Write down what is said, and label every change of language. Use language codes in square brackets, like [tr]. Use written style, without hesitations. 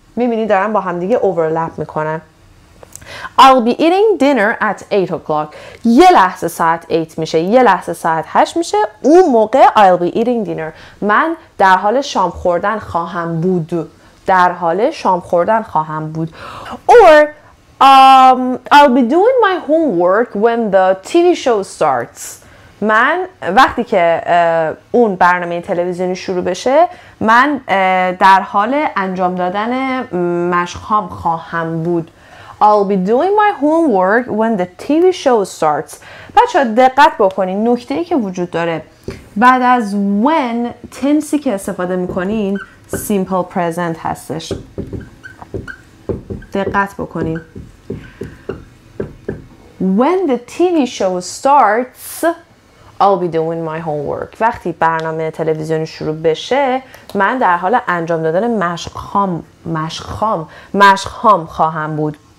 [fa] میبینی دارم با هم دیگه overlap میکنن. [en] I'll be eating dinner at 8 o'clock. [fa] یه لحظه ساعت 8 میشه، یه لحظه ساعت 8 میشه، اون موقع [en] I'll be eating dinner. [fa] من در حال شام خوردن خواهم بود. در حال شام خوردن خواهم بود. [en] Or I'll be doing my homework when the TV show starts. [fa] من وقتی که اون برنامه تلویزیونی شروع بشه من در حال انجام دادن مشق‌هام خواهم بود. [en] I'll be doing my homework when the TV show starts. [fa] بچه ها دقت بکنین نکته‌ای که وجود داره. بعد از when تنسی که استفاده میکنین simple present هستش. دقت بکنین. [en] When the TV show starts, I'll be doing my homework. [fa] وقتی برنامه تلویزیونی شروع بشه من در حال انجام دادن مشق خام خواهم بود.